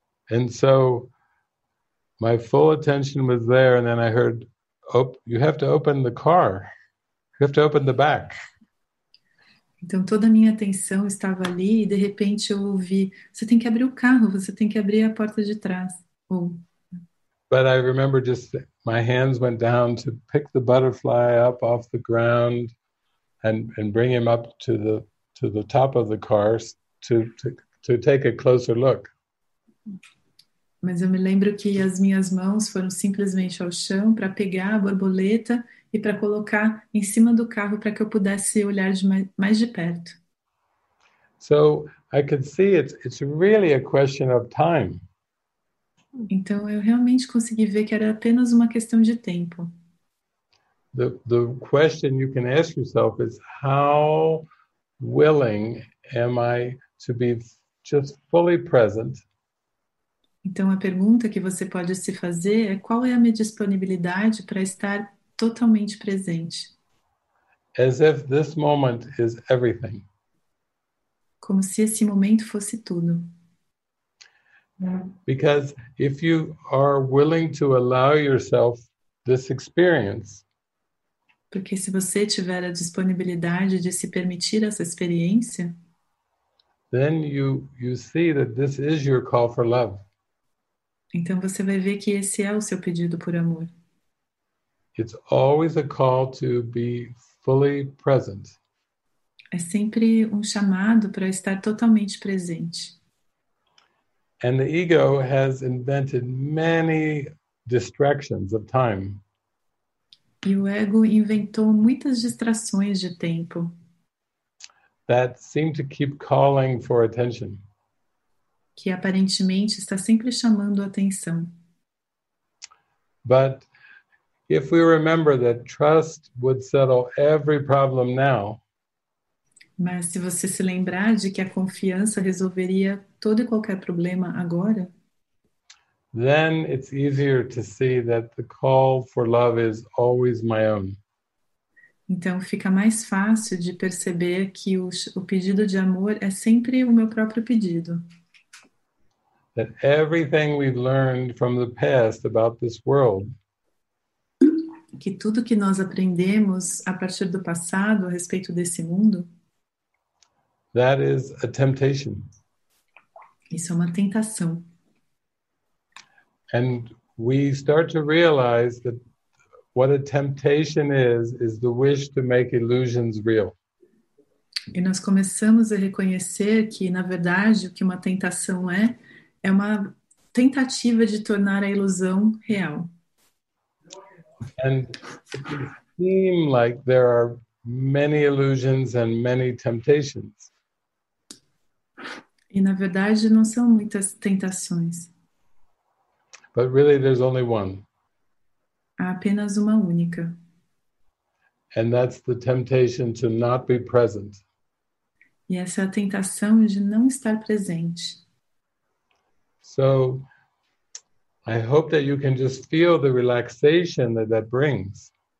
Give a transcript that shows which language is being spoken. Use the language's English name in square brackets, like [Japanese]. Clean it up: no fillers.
[English] And so my full attention was there, and then I heard, "Oh, you have to open the car. You have to open the back." [Portuguese] Então toda a minha atenção estava ali, e de repente eu ouvi: "Você tem que abrir o carro. Você tem que abrir a porta de trás." Ou. [English] But I remember just my hands went down to pick the butterfly up off the ground, and bring him up to the top of the car to take a closer look. [Portuguese] Mas eu me lembro que as minhas mãos foram simplesmente ao chão para pegar a borboleta e para colocar em cima do carro para que eu pudesse olhar mais de perto. [English] So I could see it's really a question of time. [Portuguese] Então eu realmente consegui ver que era apenas uma questão de tempo. [English] The question you can ask yourself is how willing am I to be just fully present? [Portuguese] Então, a pergunta que você pode se fazer é qual é a minha disponibilidade para estar totalmente presente? [English] As if this moment is everything. [Portuguese] Como se esse momento fosse tudo. [English] Because if you are willing to allow yourself this experience. [Portuguese] Porque se você tiver a disponibilidade de se permitir essa experiência, [English] then you see that this is your call for love. [Portuguese] Então você vai ver que esse é o seu pedido por amor. [English] It's always a call to be fully present. [Portuguese] É sempre um chamado para estar totalmente presente. [English] And the ego has invented many distractions of time. [Portuguese] E o ego inventou muitas distrações de tempo. [English] that seem to keep calling for attention. [Portuguese] Que aparentemente está sempre chamando atenção. [English] But if we remember that trust would settle every problem now, [Portuguese] mas se você se lembrar de que a confiança resolveria todo e qualquer problema agora, [English] then it's easier to see that the call for love is always my own. [Portuguese] Então fica mais fácil de perceber que o pedido de amor é sempre o meu próprio pedido. [English] That everything we've learned from the past about this world, [Portuguese] que tudo que nós aprendemos a partir do passado a respeito desse mundo, [English] that is a temptation. [Portuguese] Isso é uma tentação. [English] And we start to realize that what a temptation is the wish to make illusions real. [Portuguese] E nós começamos a reconhecer que, na verdade, o que uma tentação é uma tentativa de tornar a ilusão real. [English] And it seems like there are many illusions and many temptations. [Portuguese] E, na verdade, não são muitas tentações. [English] But really, there's only one. [Portuguese] Há apenas uma única. [English] And that's the temptation to not be present. [Portuguese] E essa é a tentação de não estar presente. [English] So, I hope that you can just feel the relaxation that brings.